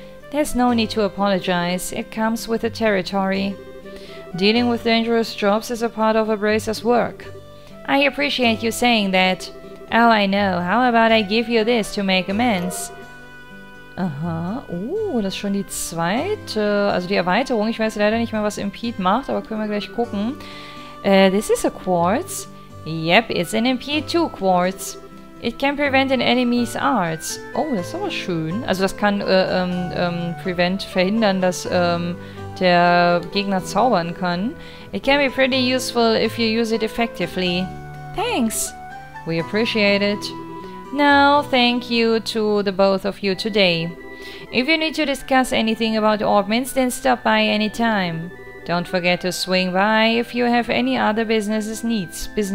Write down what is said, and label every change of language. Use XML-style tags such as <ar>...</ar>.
<en>There's no need to apologize. It comes with the territory. Dealing with dangerous jobs is a part of a bracer's work. I appreciate you saying that. Oh, I know. How about I give you this to make amends?</en> <de>Aha. Das ist schon die zweite. Also die Erweiterung. Ich weiß leider nicht mehr, was Impede macht, aber können wir gleich gucken.</de> <en>This is a quartz. Yep, it's an Impede 2 quartz. It can prevent an enemy's arts.</en> <de>Oh, das ist aber schön. Also das kann verhindern, dass der Gegner zaubern kann.</de> <en>It can be pretty useful if you use it effectively. Thanks. We appreciate it. Now, thank you to the both of you today. If you need to discuss anything about augments, then stop by any time. Don't forget to swing by if you have any other business needs.</en>